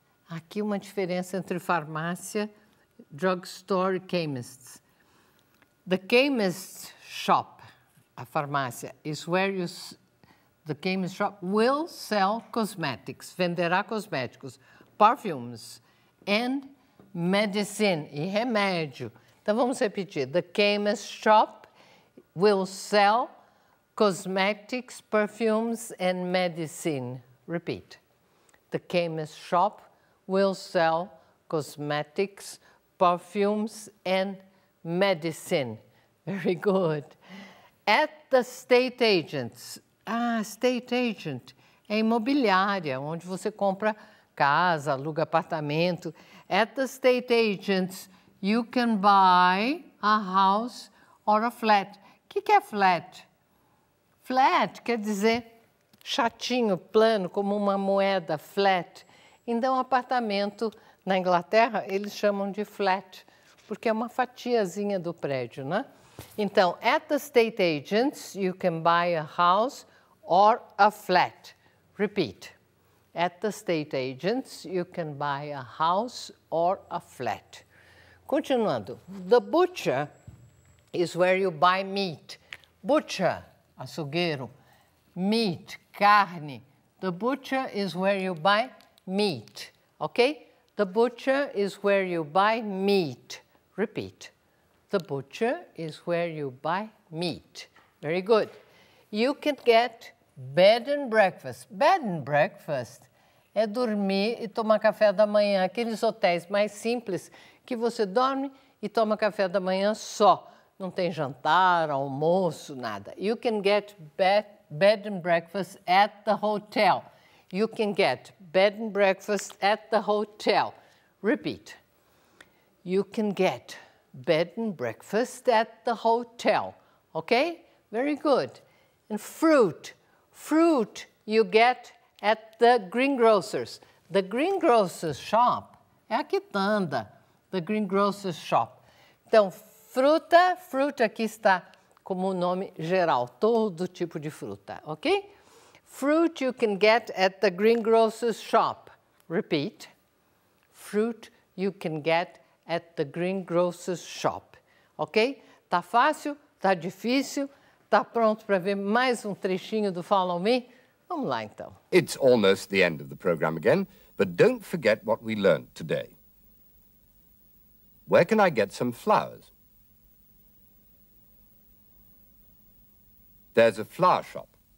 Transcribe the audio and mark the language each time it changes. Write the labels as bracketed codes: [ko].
[pt] Aqui uma diferença entre farmácia, drugstore e chemists. [en] The chemist shop, [pt] a farmácia, [en] is where you... The chemist shop will sell cosmetics. [pt] Venderá cosméticos, [en] perfumes and medicine, [pt] e remédio. Então, vamos repetir. [en] The chemist shop will sell cosmetics, perfumes, and medicine. Repeat. The chemist shop will sell cosmetics, perfumes, and medicine. Very good. At the state agents. Ah, state agent. [pt] É imobiliária, onde você compra casa, aluga apartamento. [en] At the state agents, you can buy a house or a flat. [pt] O que, que é flat? Flat quer dizer chatinho, plano, como uma moeda, flat. Então, apartamento na Inglaterra, eles chamam de flat, porque é uma fatiazinha do prédio, né? [en] Então, at the state agents, you can buy a house or a flat. Repeat. At the state agents, you can buy a house or a flat. Continuando, the butcher is where you buy meat. Butcher, açougueiro, meat, carne. The butcher is where you buy meat, okay? The butcher is where you buy meat. Repeat. The butcher is where you buy meat. Very good. You can get bed and breakfast. Bed and breakfast [pt] é dormir e tomar café da manhã. Aqueles hotéis mais simples que você dorme e toma café da manhã só. Não tem jantar, almoço, nada. [en] You can get bed and breakfast at the hotel. You can get bed and breakfast at the hotel. Repeat. You can get bed and breakfast at the hotel. Okay? Very good. And fruit. Fruit you get at the greengrocer's. The greengrocer's shop [pt] é a quitanda. [en] The greengrocer's shop. [pt] Então, fruta. Fruta aqui está como nome geral. Todo tipo de fruta. Okay? [en] Fruit you can get at the greengrocer's shop. Repeat. Fruit you can get at the greengrocer's shop. [pt] Ok? Tá fácil? Tá difícil? Tá pronto para ver mais um trechinho do Follow Me? Vamos lá, então. [en] It's almost the end of the program again, but don't forget what we learned today. Where can I get some flowers? There's a flower shop.